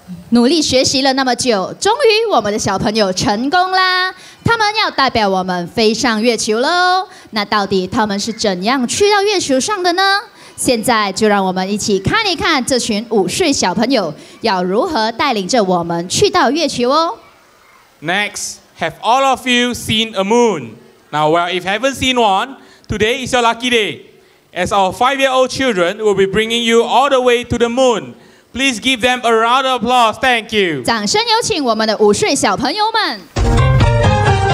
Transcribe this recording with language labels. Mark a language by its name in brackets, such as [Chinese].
[Chinese] 努力学习了那么久，终于我们的小朋友成功啦！他们要代表我们飞上月球喽。那到底他们是怎样去到月球上的呢？现在就让我们一起看一看这群五岁小朋友要如何带领着我们去到月球哦。 [English] Next. Have all of you seen a moon? Now, well, if you haven't seen one, today is your lucky day. As our five-year-old children will be bringing you all the way to the moon, please give them a round of applause. Thank you. [Chinese] 掌声有请我们的五岁小朋友们。